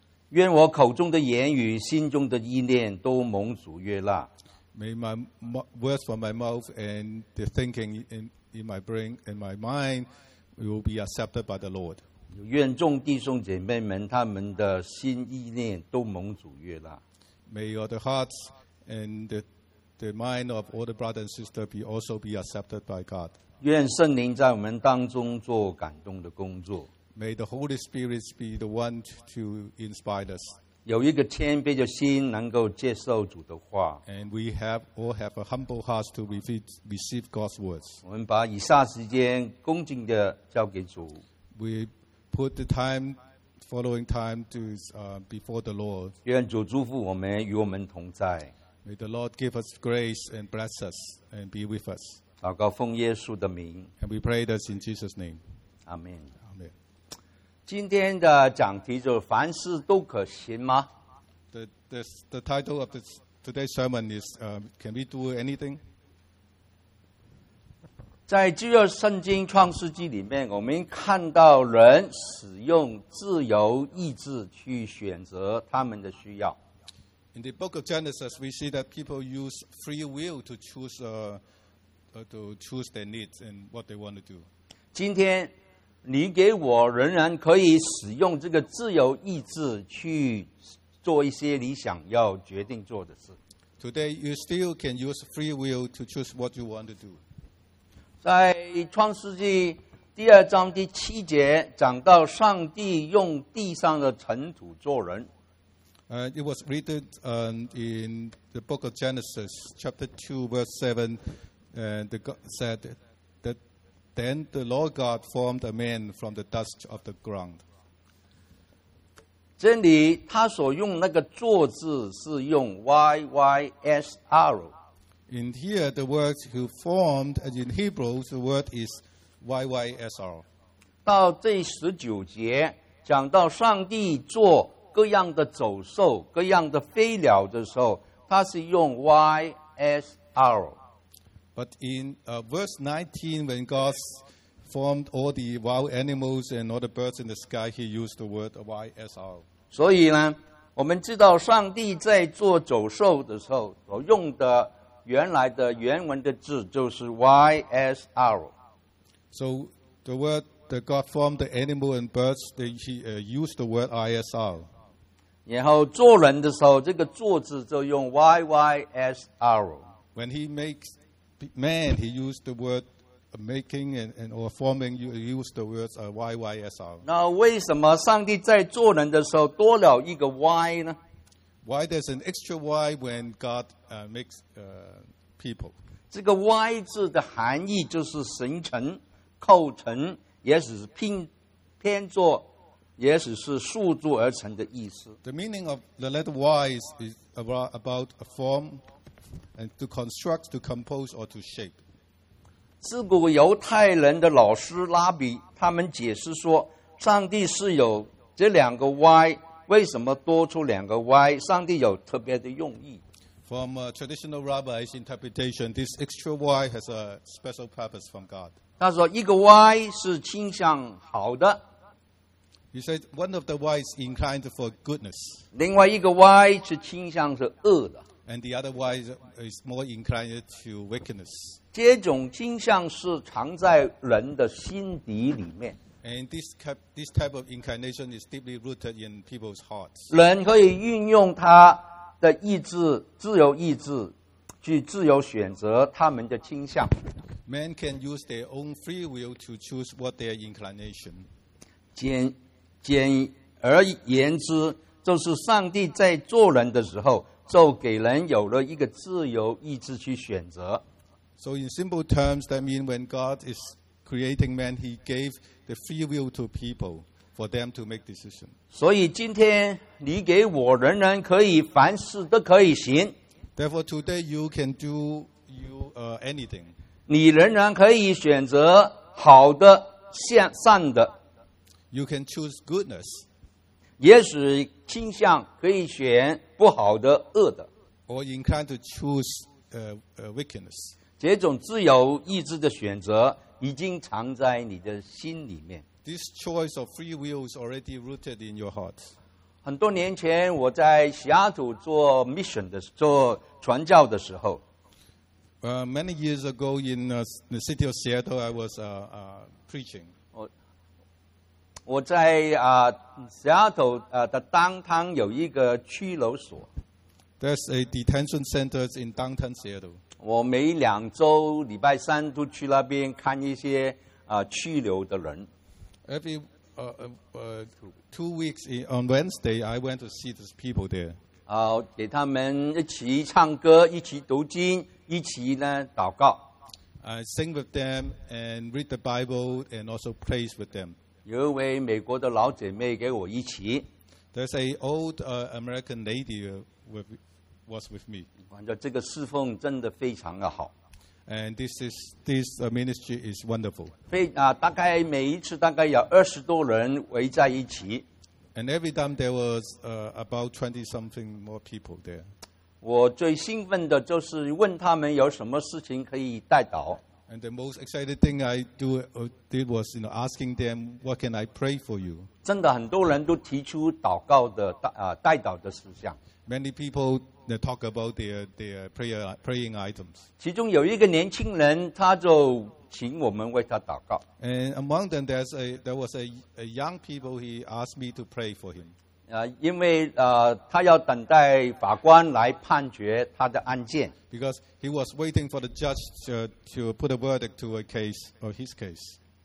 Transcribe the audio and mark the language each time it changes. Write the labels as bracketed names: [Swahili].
[Chinese] 愿我口中的言语、心中的意念都蒙主悦纳。 [English] May my words from my mouth and the thinking in my brain and my mind will be accepted by the Lord. [Chinese] 愿众弟兄姐妹们他们的心意念都蒙主悦纳。 [English] May all the hearts and the mind of all the brothers and sisters be also be accepted by God. [Chinese] 愿圣灵在我们当中做感动的工作。 [English] May the Holy Spirit be the one to inspire us. [Chinese] 有一个谦卑的心能够接受主的话。 [English] And we all have a humble heart to receive God's words. [Chinese] 我们把以下时间恭敬地交给主。 [English] We put the time, following time, to before the Lord. [Chinese] 愿主祝福我们，与我们同在。 [English] May the Lord give us grace and bless us and be with us. [Chinese] 祷告奉耶稣的名。 [English] And we pray this in Jesus' name. Amen. Amen. [Chinese] 今天的讲题就是凡事都可行吗？ [English] The title of this, today's sermon is Can we do anything? [Chinese] 在旧约圣经创世纪里面，我们看到人使用自由意志去选择他们的需要。 [English] In the book of Genesis, we see that people use free will to choose, to choose their needs and what they want to do. [Chinese] 今天你给我仍然可以使用这个自由意志去做一些你想要决定做的事。 [English] Today, you still can use free will to choose what you want to do. [Chinese] 在创世纪第二章第七节讲到上帝用地上的尘土做人。 [English] It was written in the book of Genesis, chapter 2, verse 7, and the God said that then the Lord God formed a man from the dust of the ground. [Chinese] 这里他所用那个做字是用 YYSR. [English] In here, the word who formed, and in Hebrew, the word is YYSR. [Chinese] 到这十九节讲到上帝做各样的走兽各样的飞鸟的时候它是用 YSR [English] But in verse 19 when God formed all the wild animals and all the birds in the sky he used the word YSR [Chinese] 所以呢我们知道上帝在做走兽的时候所用的原来的原文的字就是 YSR [English] So the word that God formed the animal and birds they used the word YSR [Chinese] 然后做人的时候，这个做字就用 YYSR。 [English] When he makes man, he used the word making and or forming. You use the words YYSR. [Chinese] 那为什么上帝在做人的时候多了一个 Y 呢 [English] ？Why there's an extra Y when God makes people？ [Chinese] 这个 Y 字的含义就是形成、构成，也许是拼作。也许是塑作而成的意思。 [English] The meaning of the letter Y is about a form and to construct, to compose, or to shape. [Chinese] 自古犹太人的老师拉比他们解释说，上帝是有这两个 Y， 为什么多出两个 Y？上帝有特别的用意。 [English] From a traditional rabbi's interpretation, this extra Y has a special purpose from God. [Chinese] 他说，一个 Y 是倾向好的。 [English] He said one of the Y is inclined for goodness. [Chinese] 另外一个 Y 是倾向是恶的。 [English] And the other Y is more inclined to wickedness. [Chinese] 这种倾向是藏在人的心底里面。 [English] And this type of inclination is deeply rooted in people's hearts. [Chinese] 人可以运用他的意志，自由意志，去自由选择他们的倾向。 [English] Man can use their own free will to choose what their inclination. [Chinese] 简而言之，就是上帝在做人的时候，就给人有了一个自由意志去选择。 [English] So in simple terms, that means when God is creating man, He gave the free will to people for them to make decisions. [Chinese] 所以今天你给我仍然可以凡事都可以行。 [English] Therefore, today you can do anything. [Chinese] 你仍然可以选择好的、善的。 [English] You can choose goodness. [Chinese] 也许倾向可以选不好的、恶的。 [English] Or inclined to choose wickedness. [Chinese] 这种自由意志的选择已经藏在你的心里面。 [English] This choice of free will is already rooted in your heart. [Chinese] 很多年前我在西雅图做 mission 的做传教的时候。 [English] Many years ago in the city of Seattle, I was preaching. [Chinese] 我在西雅图的 downtown 有一个拘留所。 [English] There's a detention center in downtown Seattle. [Chinese] 我每两周礼拜三都去那边看一些拘留的人。 [English] Every two weeks on Wednesday, I went to see these people there. [Chinese] 给他们一起唱歌，一起读经，一起呢祷告。 [English] I sing with them and read the Bible and also pray with them. [Chinese] 有一位美国的老姐妹给我一起。 [English] There's an old American lady was with me. [Chinese] 这个侍奉真的非常的好。 [English] And this ministry is wonderful. [Chinese] 大概每一次大概有20多人围在一起。 [English] And every time there was about 20 something more people there. [Chinese] 我最兴奋的就是问他们有什么事情可以代祷。 [English] And the most exciting thing I did was, you know, asking them, "What can I pray for you?" [Chinese] 真的很多人都提出祷告的代祷的事项。 [English] Many people they talk about their praying items. [Chinese] 其中有一个年轻人，他就请我们为他祷告。 [English] And among them, there was a young people. He asked me to pray for him. [Chinese] 因为他要等待法官来判决他的案件。 [English] Because he was waiting for the judge to put a verdict to a case or his case.